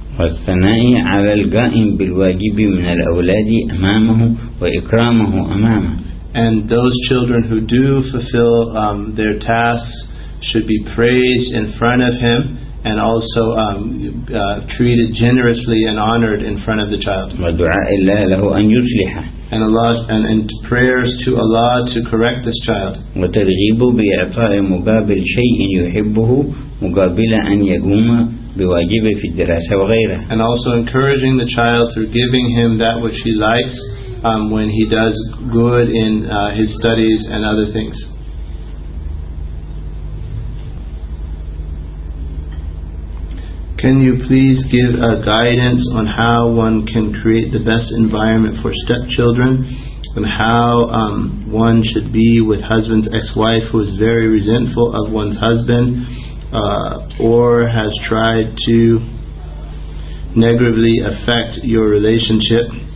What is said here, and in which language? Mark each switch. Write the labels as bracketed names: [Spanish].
[Arabic] والثناء على القائم بالواجب من الأولاد أمامه وإكرامه أمامه. [English] And those children who do fulfill their tasks should be praised in front of him and also treated generously and honored in front of the child. [Arabic] ودعاء الله له أن يصلحه. [English] And Allah and prayers to Allah to correct this child. [Arabic] وترغيب بإعطاء مقابل شيء يحبه مقابل أن يقوم بواجب في الدراسة وغيره. [English] And also encouraging the child through giving him that which he likes when he does good in his studies and other things. Can you please give a guidance on how one can create the best environment for stepchildren and how one should be with husband's ex-wife who is very resentful of one's husband or has tried to negatively affect your relationship?